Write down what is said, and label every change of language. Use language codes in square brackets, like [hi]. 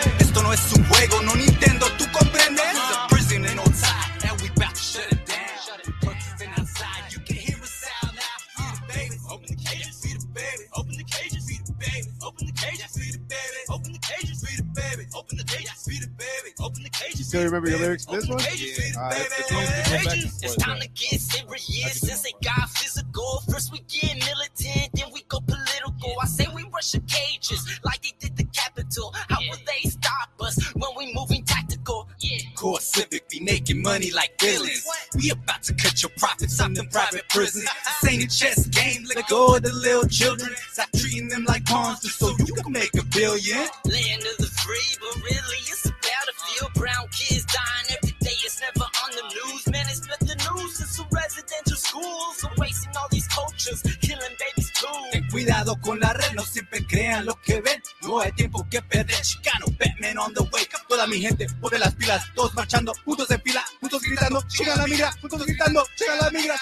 [es] Esto no es un juego, no Nintendo, tú comprendes? [en] It's a prison in old time, and we bout to shut it down. Perks is in outside, you can hear a sound now. Free the babies, open the cages, free the babies, open the cages, free the babies, open the cages, free the babies, open the cages, free the babies, open the cages, free the babies, open the cages. You still remember your lyrics? This one? It's time to get serious, since they got physical. First we get militant, then we go political. I say we crush the cages like they did the Capitol. How will they stop us when we moving tactical? Core Civic be making money like villains. We about to cut your profits off them private prisons. This ain't a chess game, let go of the little children. Stop treating them like pawns just so you can make a billion. Land of the free, but really it's a battlefield. Brown kids dying every day, it's never on the news. Man, it's been the news since the residential schools. I'm wasting all these cultures, killing babies too. [es] Ten cuidado con la red, no siempre crean lo que ven. No hay tiempo que perder, Chicano, Batman on the way. Toda mi gente, pone las pilas. Todos marchando, juntos en fila, juntos gritando, llega la migra, juntos gritando, llega la migra.